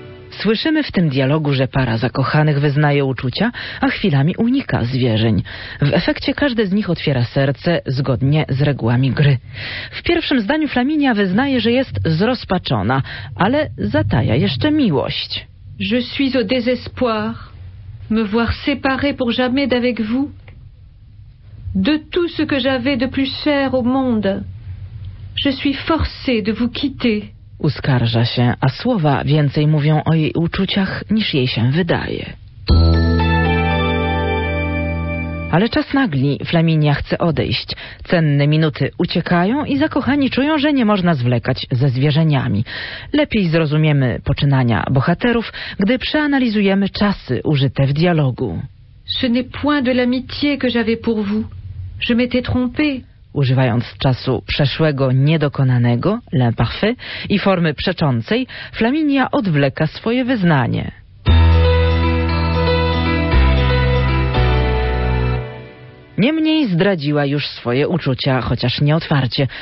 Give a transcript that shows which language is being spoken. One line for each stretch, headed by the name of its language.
Polish: Słyszymy w tym dialogu, że para zakochanych wyznaje uczucia, a chwilami unika zwierzeń. W efekcie każdy z nich otwiera serce zgodnie z regułami gry. W pierwszym zdaniu Flaminia wyznaje, że jest zrozpaczona, ale zataja jeszcze miłość.
French: Je suis au désespoir. Me voir séparée pour jamais d'avec vous. De tout ce que j'avais de plus cher au monde. Je suis forcée de vous quitter.
Polish: Uskarża się, a słowa więcej mówią o jej uczuciach, niż jej się wydaje. Ale czas nagli, Flaminia chce odejść. Cenne minuty uciekają i zakochani czują, że nie można zwlekać ze zwierzeniami. Lepiej zrozumiemy poczynania bohaterów, gdy przeanalizujemy czasy użyte w dialogu.
French: Ce n'est point de l'amitié que j'avais pour vous. Je m'étais trompée.
Polish: Używając czasu przeszłego niedokonanego, l'imparfait, i formy przeczącej, Flaminia odwleka swoje wyznanie. Niemniej zdradziła już swoje uczucia, chociaż nie otwarcie.